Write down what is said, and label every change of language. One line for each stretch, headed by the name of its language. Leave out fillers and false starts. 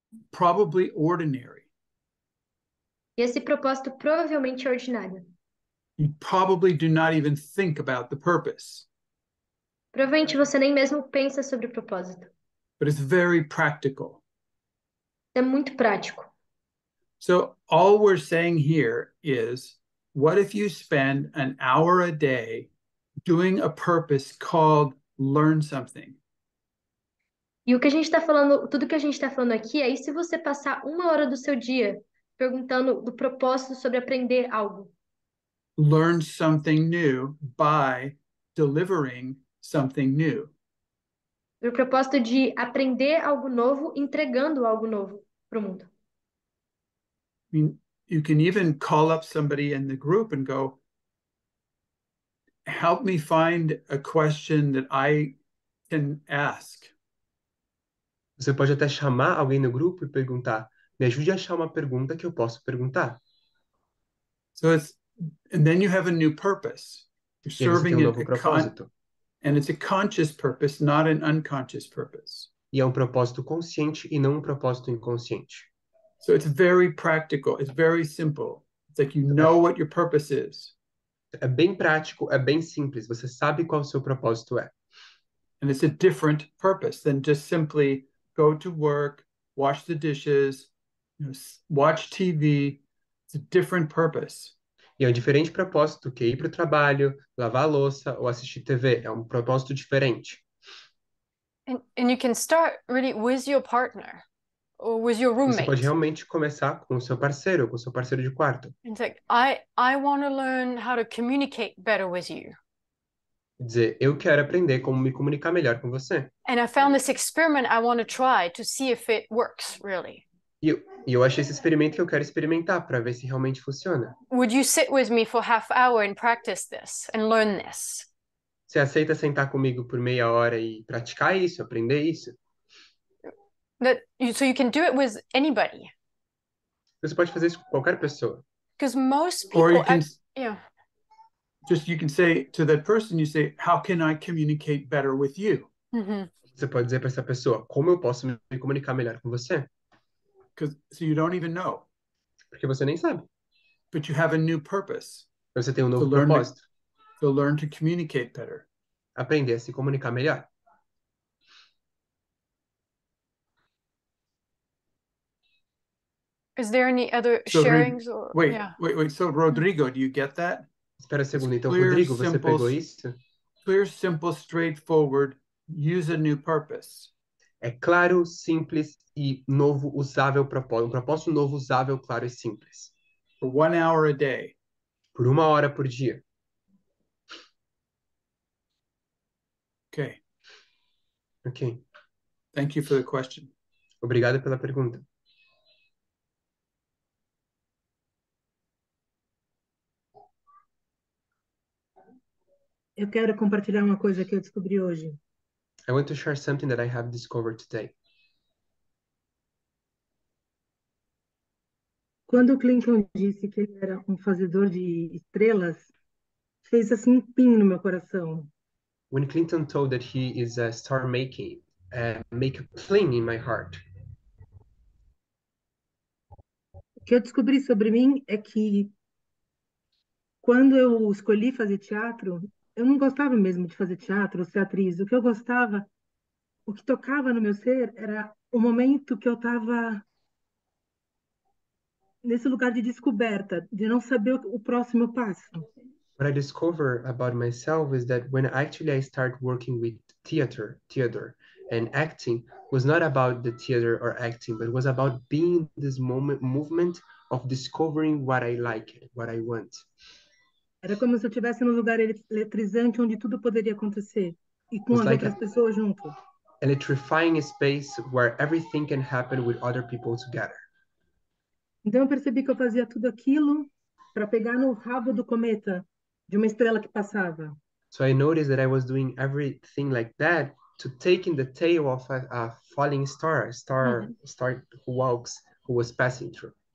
English: Probably ordinary.
Portuguese: E esse propósito provavelmente é ordinário.
English: You probably do not even think about the purpose.
Portuguese: Provavelmente você nem mesmo pensa sobre o propósito.
English: But it's very practical.
Portuguese: É muito prático.
English: So all we're saying here is, what if you spend an hour a day doing a purpose called learn something?
Portuguese: E o que a gente está falando, tudo que a gente está falando aqui é e se você passar uma hora do seu dia perguntando do propósito sobre aprender algo?
English: Learn something new by delivering something new.
Portuguese: O propósito de aprender algo novo, entregando algo novo para o mundo.
English: I mean, you can even call up somebody in the group and go, help me find a question that I can ask.
Portuguese: Você pode até chamar alguém no grupo e perguntar, me ajude a achar uma pergunta que eu posso perguntar.
English: So it's And then you have a new purpose. You're
Portuguese: E aí você tem
English: serving
Portuguese: um
English: it
Portuguese: novo
English: a con
Portuguese: propósito.
English: and it's a conscious purpose, not an unconscious purpose.
Portuguese: E é um propósito consciente e não um propósito inconsciente.
English: So it's very practical, it's very simple. It's like you know what your purpose is.
Portuguese: É bem prático, é bem simples. Você sabe qual o seu propósito é.
English: And it's a different purpose than just simply go to work, wash the dishes, watch TV. It's a different purpose.
Portuguese: E é um diferente propósito que ir para o trabalho, lavar a louça ou assistir TV. É um propósito diferente.
English: And you can start really with your partner or with your
Portuguese: Você pode realmente começar com o seu parceiro, com o seu parceiro de quarto.
English: And it's like, I want to learn how to communicate better with you.
Portuguese: Dizer, eu quero aprender como me comunicar melhor com você.
English: And I found this experiment I want to try to see if it works really.
Portuguese: E eu achei esse experimento que eu quero experimentar para ver se realmente funciona.
English: Would you sit with me for half hour and practice this and learn this?
Portuguese: Você aceita sentar comigo por meia hora e praticar isso, aprender isso?
English: That you, so you can do it with anybody.
Portuguese: Você pode fazer isso com qualquer pessoa.
English: Because most people, yeah. Just you can say to that person, you say, how can I communicate better with you?
Portuguese: Você pode dizer para essa pessoa, como eu posso me comunicar melhor com você?
English: Because so you don't even know.
Portuguese: Porque você nem sabe.
English: But you have a new purpose.
Portuguese: Você tem um novo propósito.
English: To learn to communicate better.
Portuguese: Aprender a se comunicar melhor.
English: Is there any other so, sharings or wait, yeah. wait. So Rodrigo, do you get that?
Portuguese: Espera um segundo, então Rodrigo, você
English: simple,
Portuguese: pegou isso?
English: Clear, simple, straightforward, use a new purpose.
Portuguese: É claro, simples e novo, usável propósito. Um propósito novo, usável, claro e simples.
English: For 1 hour a day.
Portuguese: Por 1 hora por dia.
English: Okay. Okay. Thank you for the question.
Portuguese: Obrigado pela pergunta. Eu quero compartilhar uma coisa que eu descobri hoje.
English: I want to share something that I have discovered today.
Portuguese: Quando Clinton disse que ele era um fazedor de estrelas, fez assim um pin no meu coração.
English: When Clinton told that he is a star making, make a pling in my heart.
Portuguese: O que eu descobri sobre mim é que quando eu escolhi fazer teatro, eu não gostava mesmo de fazer teatro, ser atriz. O que eu gostava, o que tocava no meu ser, era o momento que eu estava nesse lugar de descoberta, de não saber o próximo passo.
English: What I discover about myself is that when actually I start working with theater and acting was not about the theater or acting, but was about being this movement of discovering what I like, what I want.
Portuguese: Era como se eu estivesse num lugar eletrizante onde tudo poderia acontecer e com as
English: like
Portuguese: outras pessoas junto.
English: Electrifying a space where everything can happen with other people together.
Portuguese: Então eu percebi que eu fazia tudo aquilo para pegar no rabo do cometa. De uma estrela que passava.
English: So I noticed that I was doing everything like that to taking the tail of a falling star, star who walks, who was passing through.